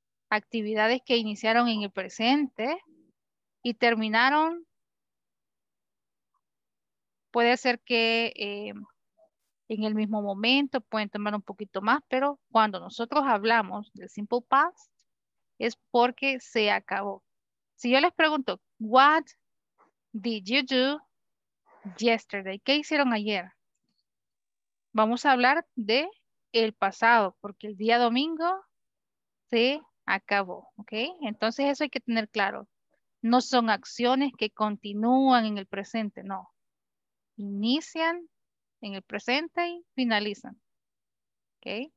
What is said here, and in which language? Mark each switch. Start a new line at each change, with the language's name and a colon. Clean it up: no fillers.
Spanish: Actividades que iniciaron en el presente y terminaron. Puede ser que en el mismo momento, pueden tomar un poquito más, pero cuando nosotros hablamos del simple past, es porque se acabó. Si yo les pregunto,
English: what did you do yesterday?
Spanish: ¿Qué hicieron ayer? Vamos a hablar de el pasado, porque el día domingo se acabó, ¿ok? Entonces eso hay que tener claro. No son acciones que continúan en el presente, no. Inician en el presente y finalizan, ¿ok?